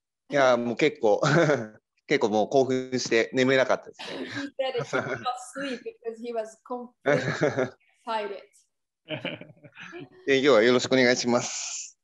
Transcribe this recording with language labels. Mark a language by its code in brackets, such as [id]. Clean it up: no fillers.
[ja] いやもう結構結構もう興奮して眠れなかったですね。 [en] He said he was asleep because he was completely excited. [ja] 今日はよろしくお願いします。